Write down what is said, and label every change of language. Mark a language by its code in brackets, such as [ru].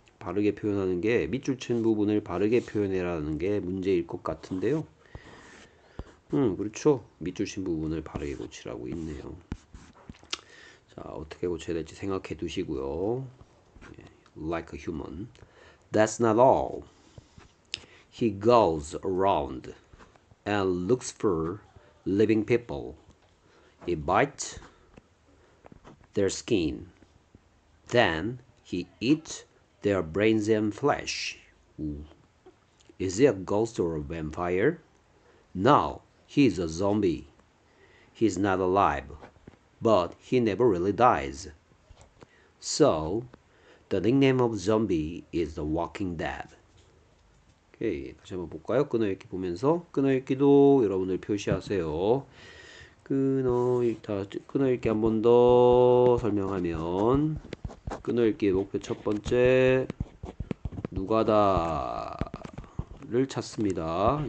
[ko] 바르게 표현하는 게 밑줄 친 부분을 바르게 표현해라는 게 문제일 것 같은데요. 그렇죠. 밑줄 친 부분을 바르게 고치라고 있네요. 자, 어떻게 고쳐야 될지 생각해 두시고요. [en] Like a human. That's not all. He goes around and looks for living people. He bites their skin. Then he eats their brains and flesh. Ooh. Is he a ghost or a vampire? No, he's a zombie. He's not alive, but he never really dies. So, the nickname of zombie is the Walking Dead. [ko] 오케이, 다시 한번 볼까요? 끊어읽기 보면서 끊어읽기도 여러분들 표시하세요. 끊어읽기 한번더 설명하면 끊어읽기의 목표 첫 번째. 누가다를 찾습니다.